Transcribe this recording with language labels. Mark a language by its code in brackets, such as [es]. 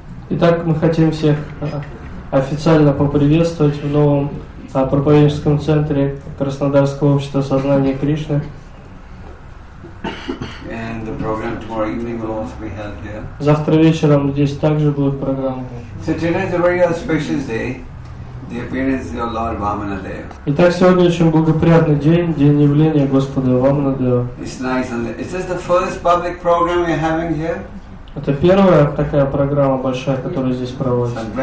[ru] Итак, мы хотим всех официально поприветствовать в новом проповедническом центре Краснодарского общества сознания Кришны. [en] And the program tomorrow evening will also be held here. [ru] Завтра вечером здесь также будет программа. [en] So tonight is a very auspicious day, the appearance of Lord Vamanadeva. [ru] Итак, сегодня очень благоприятный день, день явления Господа Вамана-дева. [en] It's nice, and is this the first public program we're having here? [ru] Это первая такая программа большая, которая здесь проводится.